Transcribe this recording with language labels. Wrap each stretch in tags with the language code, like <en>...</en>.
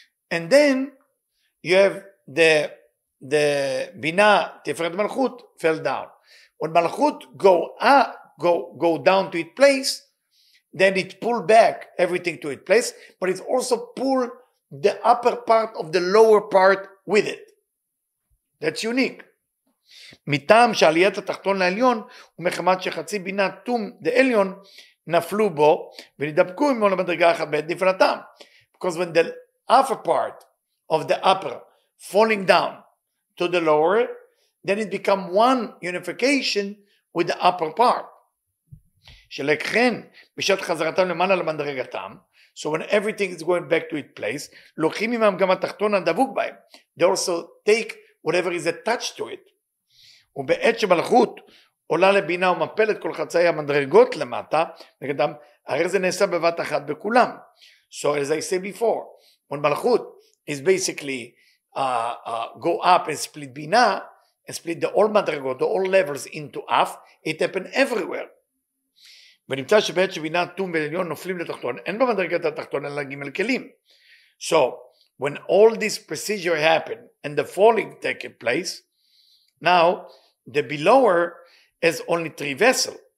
<en>And then you have the Bina, Tiferet Malchut, fell down. When Malchut go down to its place, then it pull back everything to its place, but it also pull the upper part of the lower part with it. That's unique.</en> <he>מטעם שעליית התחתון לעליון ומחמת שחצי בינה תום דעליון נפלו בו ונדבקו עם עולם הדרגה אחת בעת נפלתם.</he> <en>Because when the upper part of the upper falling down to the lower, then it become one unification with the upper part.</en> <he>שלכן בשעת חזרתם למעלה למדרגתם,</he> <en>so when everything is going back to its place,</en> <he>לוקחים עמם גם התחתון הדבוק בהם.</he> <en>They also take whatever is attached to it.</en> <he>ובעת שמלכות עולה לבינה ומפלת כל חצאי המדרגות למטה, נגדם, הרי זה נעשה בבת אחת בכולם.</he> <en>So as I said before, when מלכות is basically go up and split בינה, and split the all מדרגות, the all levels into up, it happened everywhere.</en> <he>ונמצא שבעת שבינה תום ועליון נופלים לתחתון, אין במדרגת התחתון אלא גימל כלים.</he> <en>So when all this procedure happened and the falling take place, now the belower has only three vessels.</en>